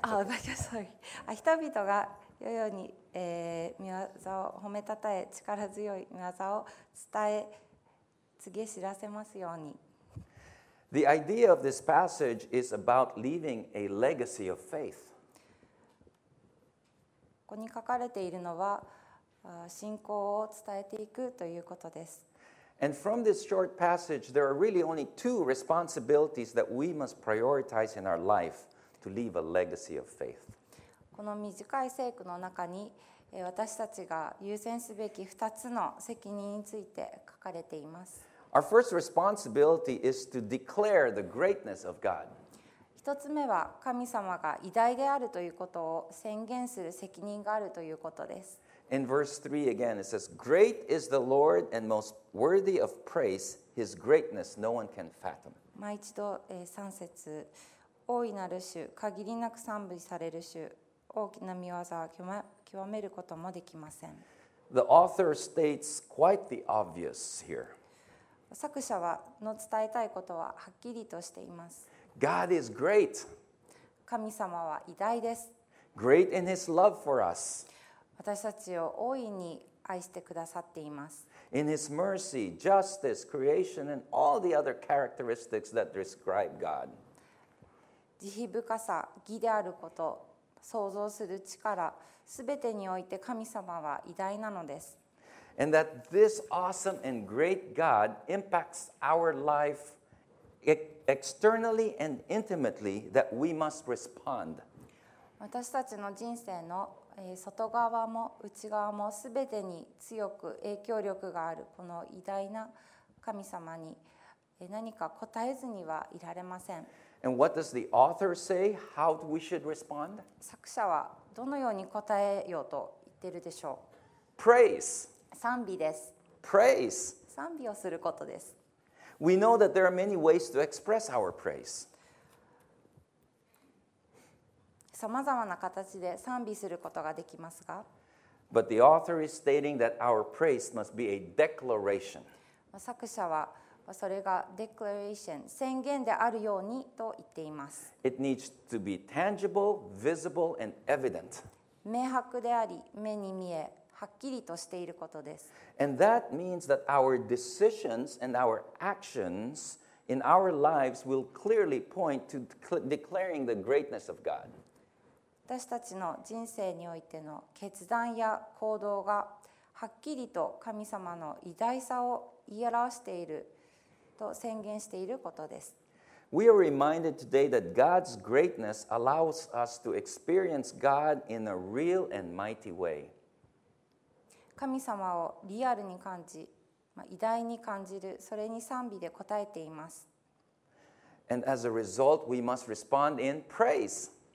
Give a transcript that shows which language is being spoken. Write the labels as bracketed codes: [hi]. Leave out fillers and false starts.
[ja] 人々がよように御業を褒めたたえ、力強い御業を伝え、告げ知らせますように。 [en] The idea of this passage is about leaving a legacy of faith. [ja] ここに書かれているのは、信仰を伝えていくということです。 [en] And from this short passage, there are really only two responsibilities that we must prioritize in our life. To leave a legacy of faith. [ja] この短い聖句の中に私たちが優先すべき2つの責任について書かれています。 [en] Our first responsibility is to declare the greatness of God. [ja] 一つ目は神様が偉大であるということを宣言する責任があるということです。 [en] In verse 3 again it says, Great is the Lord and most worthy of praise. His greatness no one can fathom. [ja] もう一度3節、大いなる主、限りなく賛美される主、大きな御業は極めることもできません。 [en] The author states quite the obvious here. [ja] 作者の伝えたいことははっきりとしています。 [en] God is great. [ja] 神様は偉大です。 [en] Great in his love for us. [ja] 私たちを大いに愛してくださっています。 [en] In his mercy, justice, creation, and all the other characteristics that describe God. [ja] 慈悲深さ、義であること、創造する力、すべてにおいて神様は偉大なのです。 [en] And that this awesome and great God impacts our life externally and intimately, that we must respond. [ja] 私たちの人生の外側も内側もすべてに強く影響力があるこの偉大な神様に何か答えずにはいられません。 [en] And what does the author say? How we should respond? [ja] 作者はどのように答えようと言ってるでしょう。 [en] Praise. [ja] 賛美です。 [en] Praise. [ja] 賛美をすることです。 [en] We know that there are many ways to express our praise. [ja] さまざまな形で賛美することができますが、 [en] But the author is stating that our praise must be a declaration. [ja] 作者はそれが declaration 宣言であるようにと言っています。 [en] It needs to be tangible, visible, and evident. [ja] 明白であり、目に見え、はっきりとしていることです。 [en] And that means that our decisions and our actions in our lives will clearly point to declaring the greatness of God. [ja] 私たちの人生においての決断や行動がはっきりと神様の偉大さを言い表していると宣言していることです。 [en] We are reminded today that God's greatness allows us to experience God in a real and mighty way. [ja] 神様をリアルに感じ、偉大に感じる、それに賛美で応えています。 [en] And as a result, we must respond in praise.